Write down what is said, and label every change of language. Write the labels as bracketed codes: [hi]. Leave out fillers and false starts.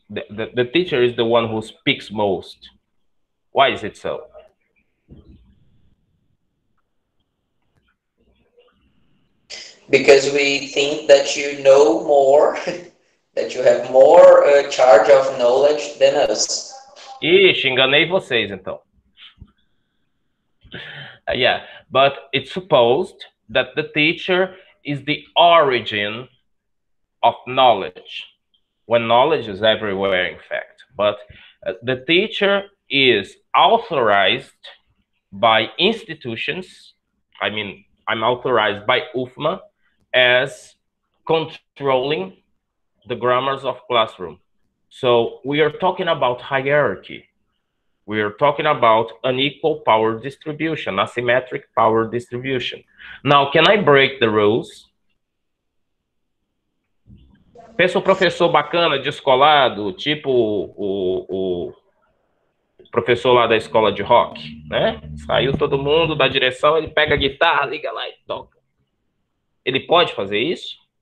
[en] The teacher is the one who speaks most. Why is it so? Because we think that you know more, that you have more charge of knowledge than us. [pt] Ixi, enganei vocês, então. [en] Yeah, but it's supposed that the teacher is the origin of knowledge, when knowledge is everywhere, in fact. But the teacher is authorized by institutions, I mean, I'm authorized by UFMA, as controlling the grammars of classroom. So we are talking about hierarchy. We are talking about an equal power distribution, asymmetric power distribution. Now, can I break the rules? [pt] Pensa um professor bacana, descolado, tipo o professor lá da escola de rock, né? Saiu todo mundo da direção, ele pega a guitarra, liga lá e toca. Ele pode fazer isso?